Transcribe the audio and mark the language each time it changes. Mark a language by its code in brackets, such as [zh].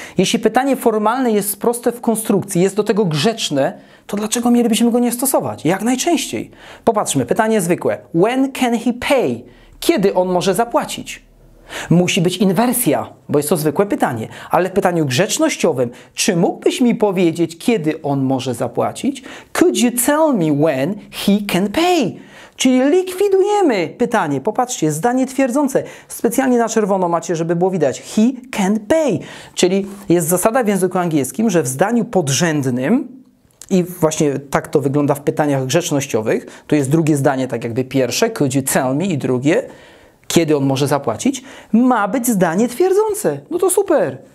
[pl] Jeśli pytanie formalne jest proste w konstrukcji, jest do tego grzeczne, to dlaczego mielibyśmy go nie stosować? Jak najczęściej. Popatrzmy, pytanie zwykłe. [en] When can he pay? [pl] Kiedy on może zapłacić? Musi być inwersja, bo jest to zwykłe pytanie. Ale w pytaniu grzecznościowym, czy mógłbyś mi powiedzieć, kiedy on może zapłacić? [en] Could you tell me when he can pay? [pl] Czyli likwidujemy pytanie. Popatrzcie, zdanie twierdzące. Specjalnie na czerwono macie, żeby było widać. [en] He can pay. [pl] Czyli jest zasada w języku angielskim, że w zdaniu podrzędnym, i właśnie tak to wygląda w pytaniach grzecznościowych, to jest drugie zdanie, tak jakby pierwsze, [en] could you tell me, [pl] i drugie, kiedy on może zapłacić, ma być zdanie twierdzące. No to super.